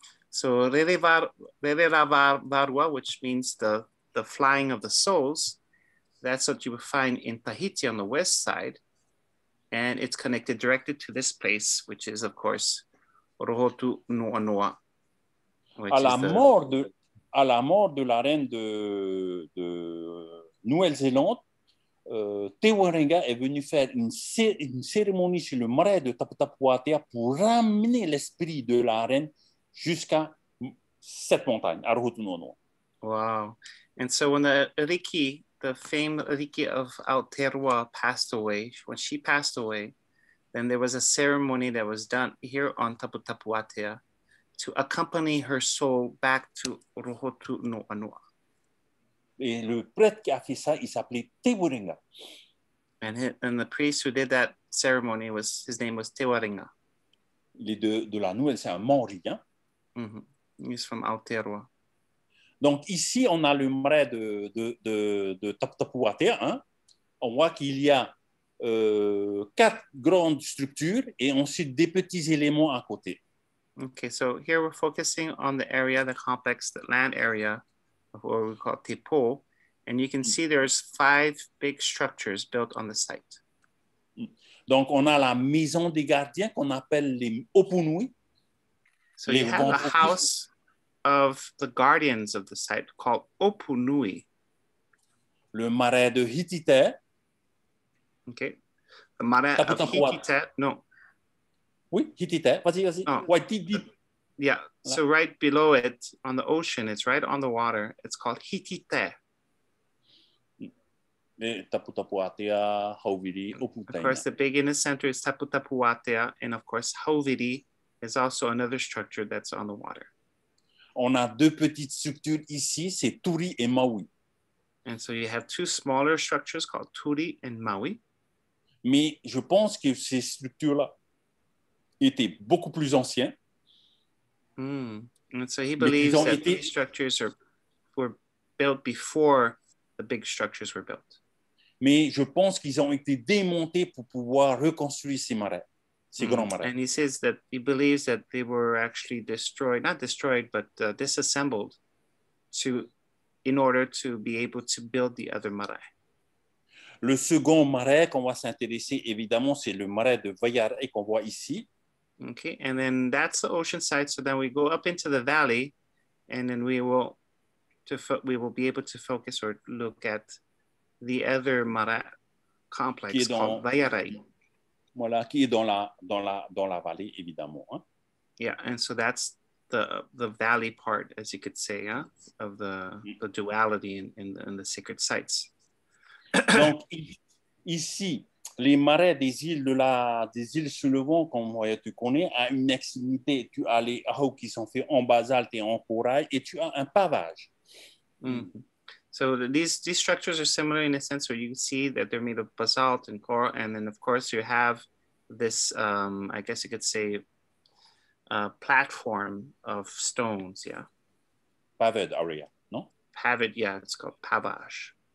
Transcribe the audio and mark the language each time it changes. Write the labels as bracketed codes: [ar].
[en] So Rereravarua, which means the flying of the souls, that's what you would find in Tahiti on the west side, and it's connected directly to this place, which is, of course, Rohotunuanua. [fr] À la mort de la reine de Nouvelle-Zélande, Te Waringa est venu faire une cérémonie sur le marais de Taputapuātea pour ramener l'esprit de la reine jusqu'à cette montagne, à Rohotunuanua. [en] Wow. And so when the Riki, the famed Riki of Aotearoa passed away, when she passed away, then there was a ceremony that was done here on Taputapuātea to accompany her soul back to Rohotunuanua. [fr] Et le prêtre qui a fait ça, il s'appelait Te Waringa. [en] And the priest who did that ceremony, his name was Te Waringa. [fr] Il est de la Nouvelle, c'est un Maori. Hein? [en] Mm-hmm. He's from Aotearoa. [fr] Donc ici, on a le marais de Taputapuātea. Hein? On voit qu'il y a quatre grandes structures et ensuite des petits éléments à côté. [en] Okay, so here we're focusing on the area, the complex, the land area, what we call Tepo, and you can see there's five big structures built on the site. [fr] Donc on a la maison des gardiens qu'on appelle les Opunui. [en] So you have a house of the guardians of the site called Opunui. [fr] Le marais de Hitite. [en] Okay. The marais of Hitite. No. [fr] Oui, Hitite. Vas-y. Oh. Waititi. [en] Yeah, so right below it, on the ocean, it's right on the water. It's called Hitite. Taputapuātea, Hauviri, Opunui. Of course, the big inner center is Taputapuātea, and of course, Hauviri is also another structure that's on the water. [fr] On a deux petites structures ici, c'est Turi et Maui. [en] And so you have two smaller structures called Turi and Maui. [fr] Mais je pense que ces structures-là étaient beaucoup plus anciennes. [en] And so he believes that these structures were built before the big structures were built. [fr] Mais je pense qu'ils ont été démontés pour pouvoir reconstruire ces marais, ces grands marais. [en] And he says that he believes that they were actually destroyed, not destroyed, but disassembled in order to be able to build the other marais. [fr] Le second marais qu'on va s'intéresser, évidemment, c'est le marais de Vayare qu'on voit ici. [en] Okay, and then that's the ocean side. So then we go up into the valley, and then we will be able to focus or look at the other mara complex called Vayarai. [fr] Voilà, qui est dans la vallée, évidemment. Hein? [en] Yeah, and so that's the valley part, as you could say, hein? Of the duality in the sacred sites. [fr] Donc, ici, les marais des îles de la des îles sous le vent, comme tu connais, à une extrémité, tu as les roches qui sont faites en basalte et en corail, et tu as un pavage. Mm-hmm. [en] So these structures are similar in a sense where you see that they're made of basalt and coral, and then of course you have this, I guess you could say, platform of stones, yeah. Paved area, no? Paved, yeah, it's called pavage.